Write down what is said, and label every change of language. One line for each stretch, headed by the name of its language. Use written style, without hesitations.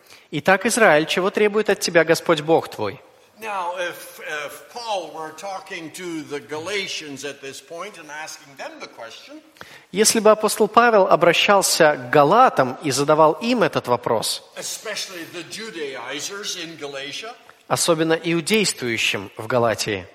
Russian: Итак, Израиль, чего требует от тебя Господь Бог твой?
English: Now, if Paul were talking to the Galatians at this point and asking them the question,
Russian: если бы апостол Павел обращался к Галатам и задавал им этот вопрос,
English: especially the Judaizers in Galatia,
Russian: особенно иудействующим в Галатии,